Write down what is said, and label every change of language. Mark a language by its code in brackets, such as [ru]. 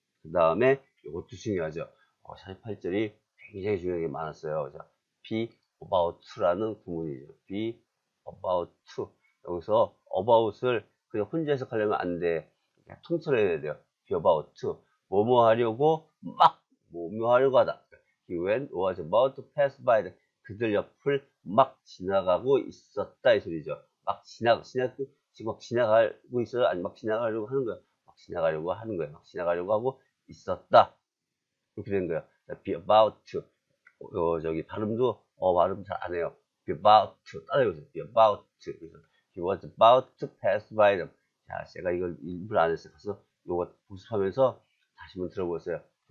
[ko] 그 다음에 이것도 중요하죠. 48절이 굉장히 중요한 게 많았어요. 자, be about라는 구문이죠. [en] be about to. [ko] 여기서 about을 그냥 혼자 해석하려면 안 돼. 통틀어야 돼요. [en] be about to. [ko] 뭐뭐 하려고 막 뭐뭐 하려고 하다. [en] He went was about to pass by. [ko] 그들 옆을 막 지나가고 있었다 이 소리죠. 막 지금 막 지나가고 있어요. 아니 막 지나가려고 하는 거야. 막 지나가려고 하는 거야. 막 지나가려고 하고 있었다. 이렇게 된 거야. [en] Be about to. [ko] 저기 발음도 발음 잘안 해요. [en] Be about to. [ko] 따라해보세요. [en] Be about to. He was about to pass by them. [ko] 자, 제가 이걸 일부러 안 했어요. 그래서 이거 복습하면서 다시 한번 들어보세요.